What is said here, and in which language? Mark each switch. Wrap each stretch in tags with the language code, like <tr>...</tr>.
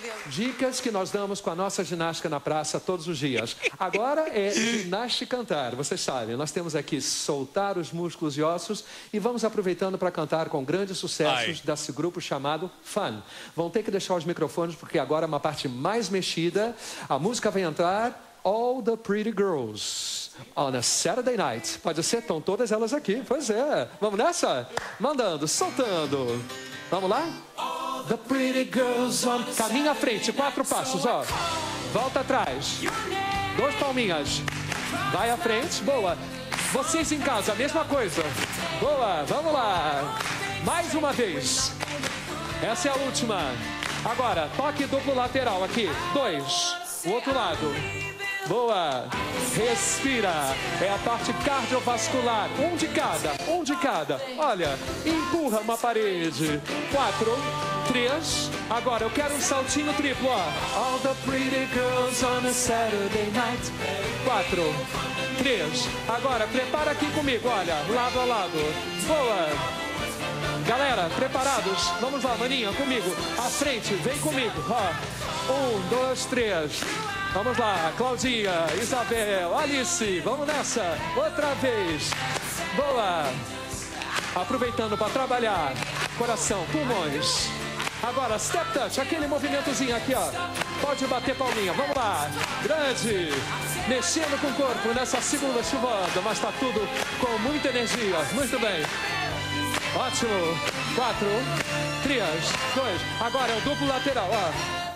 <pt>Dicas que nós damos com a nossa ginástica na praça todos os dias. Agora é ginástica cantar. Vocês sabem, nós temos aqui soltar os músculos e ossos e vamos aproveitando para cantar com grandes sucessos desse grupo chamado Fun. Vão ter que deixar os microfones porque agora é uma parte mais mexida. A música vai entrar.</pt> <en>All the pretty girls on a Saturday night.</en> <pt>Pode ser, estão todas elas aqui. Pois é. Vamos nessa? Mandando, soltando. Vamos lá?</pt> <en>The pretty girls on.</en> <pt>Caminha à frente, quatro passos, ó. Volta atrás. Dois palminhas. Vai à frente, boa. Vocês em casa, a mesma coisa. Boa, vamos lá. Mais uma vez. Essa é a última. Agora, toque duplo lateral aqui. Dois. O outro lado. Boa. Respira. É a parte cardiovascular. Um de cada. Um de cada. Olha. Empurra uma parede. Quatro. Três. Agora eu quero um saltinho triplo, ó.</pt> <en>All the pretty girls on a Saturday night.</en> <pt>Quatro. Três. Agora prepara aqui comigo, olha. Lado a lado. Boa. Galera, preparados? Vamos lá, maninha, comigo. À frente, vem comigo, ó. Um, dois, três. Vamos lá, Claudinha, Isabel, Alice, vamos nessa, outra vez, boa, aproveitando para trabalhar, coração, pulmões, agora step touch, aquele movimentozinho aqui, ó, pode bater palminha, vamos lá, grande, mexendo com o corpo nessa segunda chuvada, mas está tudo com muita energia, muito bem, ótimo, quatro, três, dois, agora é o duplo lateral, ó.</pt>